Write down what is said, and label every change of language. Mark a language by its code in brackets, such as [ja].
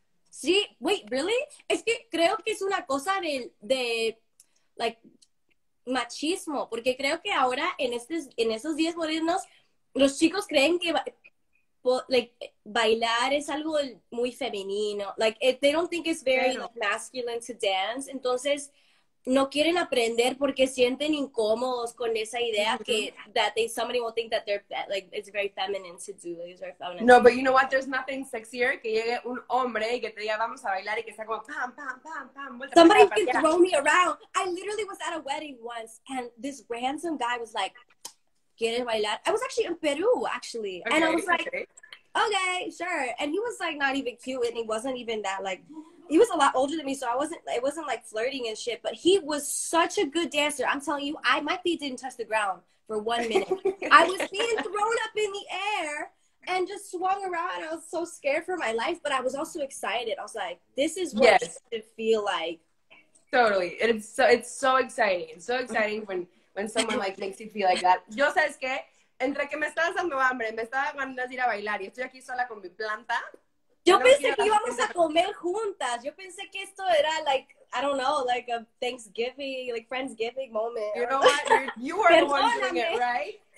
[en] Sí, wait, really? [es] Es que creo que es una cosa de like, machismo, porque creo que ahora, en esos días modernos, los chicos creen que bailar es algo muy femenino. [en] Like, they don't think it's very masculine to dance. [es] Entonces, no quieren aprender porque sienten incómodos con esa idea que [en] somebody will think that they're it's very feminine to do this or feminine. No, but you know what? There's nothing sexier [es] que llegue un hombre y que te diga vamos a bailar y que sea como pam pam pam pam. [en] Somebody can throw me around. I literally was at a wedding once and this random guy was like, [es] ¿quieres bailar? [en] I was actually in Peru actually, okay, and I was like, okay, sure. And he was like not even cute and he wasn't even that like. He was a lot older than me, so it wasn't like flirting and shit, but he was such a good dancer. I'm telling you, my feet didn't touch the ground for 1 minute. I was being thrown up in the air and just swung around. I was so scared for my life, but I was also excited. I was like, this is what it should feel like. Totally. It's so exciting. It's so exciting when someone like makes you feel like that. [es] Yo sabes que, entre que me está dando hambre, me está dando ir a bailar y estoy aquí sola con mi planta. Yo pensé que íbamos a comer juntas. Yo pensé que esto era like, [en] I don't know, like a Thanksgiving, like Friendsgiving moment. You know what? You are the one doing it, right?